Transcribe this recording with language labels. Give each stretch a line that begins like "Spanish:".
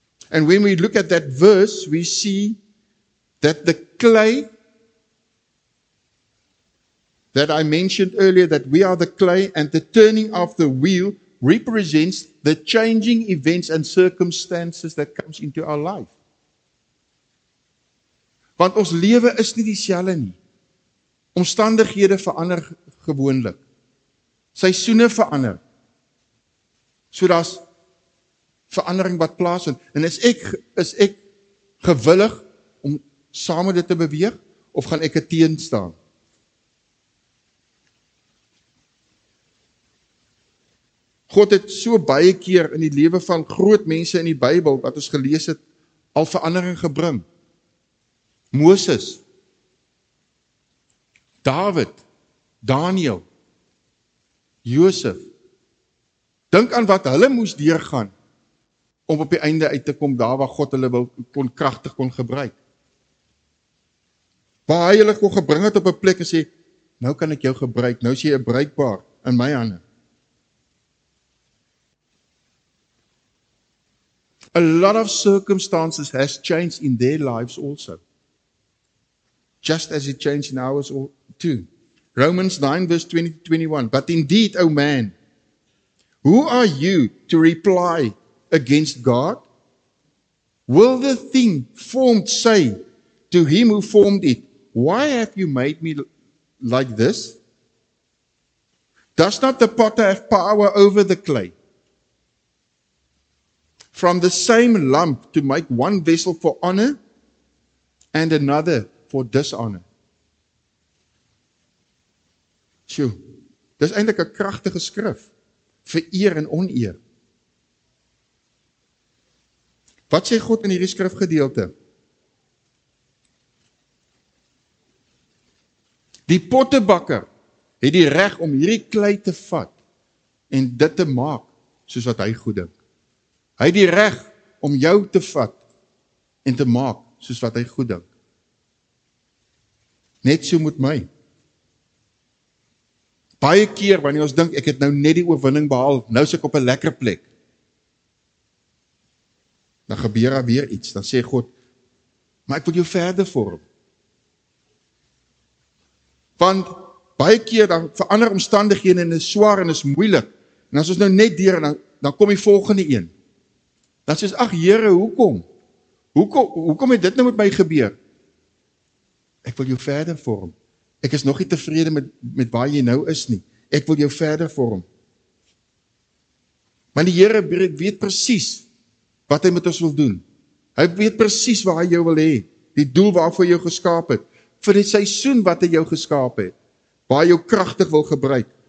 English: And when we look at that verse, we see that the clay that I mentioned earlier, that we are the clay and the turning of the wheel represents the changing events and circumstances that comes into our life.
Afrikaans: Want ons lewe is nie dieselfde nie. Omstandighede verander gewoonlik. Seisoene verander. So daar's verandering wat plaasvind. En is ek gewillig om saam met dit te beweeg of gaan ek teen staan? God het so baie keer in die lewe van groot mense in die Bybel wat ons gelees het, al verandering gebring. Moses, David, Daniel, Josef. Dink aan wat hulle moes deurgaan om op die einde uit te kom daar waar God hulle wil kon kragtig kon gebruik. Waar hy hulle kon gebring het op 'n plek en sê, nou kan ek jou gebruik, nou is jy bruikbaar in my hande.
English: A lot of circumstances has changed in their lives also. Just as it changed in ours too. Romans 9 verse 20-21, but indeed, O man, who are you to reply against God? Will the thing formed say to him who formed it, why have you made me like this? Does not the potter have power over the clay? From the same lump to make one vessel for honor and another for dishonor.
Afrikaans: So, dis eintlik 'n kragtige skrif vir eer en oneer. Wat sê God in hierdie skrifgedeelte? Die pottebakker het die reg om hierdie klei te vat en dit te maak soos wat hy goed dink. Hy het die reg om jou te vat en te maak soos wat hy goed dink. Net so met my. Baie keer wanneer ons dink ek het nou net die oorwinning behaal, nou is ek op 'n lekker plek. Dan gebeur daar weer iets. Dan sê God, maar ek wil jou verder vorm. Want baie keer dan verander omstandighede en is swaar en is moeilik. En as ons nou net deur dan kom die volgende een. Dan sê ons, ag Here, hoekom? Hoekom het dit nou met my gebeur? Ek wil jou verder vorm. Ek is nog nie tevrede met waar jy nou is nie. Ek wil jou verder vorm. Want die Here weet presies wat hy met ons wil doen. Hy weet presies waar hy jou wil hê. Die doel waarvoor hy jou geskaap het. Vir die seisoen wat hy jou geskaap het. Waar hy jou kragtig wil gebruik.